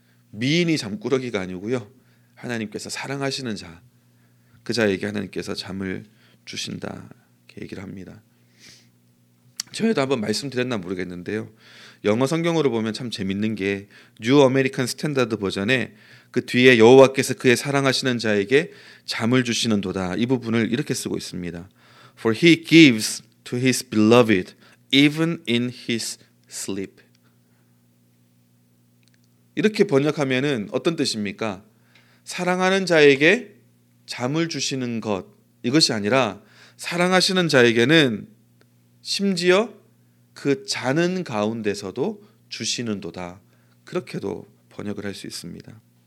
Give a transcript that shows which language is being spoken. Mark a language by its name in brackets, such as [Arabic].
[Korean] 미인이 잠꾸러기가 아니고요, 하나님께서 사랑하시는 자, 그 자에게 하나님께서 잠을 주신다, 이렇게 얘기를 합니다. 전에도 한번 말씀드렸나 모르겠는데요, 영어 성경으로 보면 참 재밌는 게 뉴 아메리칸 스탠다드 버전에 그 뒤에 여호와께서 그의 사랑하시는 자에게 잠을 주시는 도다, 이 부분을 이렇게 쓰고 있습니다. [English] For he gives to his beloved even in his sleep. [Korean] 이렇게 번역하면은 어떤 뜻입니까? 사랑하는 자에게 잠을 주시는 것, 이것이 아니라 사랑하시는 자에게는 심지어 그 자는 가운데서도 주시는 도다, 그렇게도 번역을 할 수 있습니다.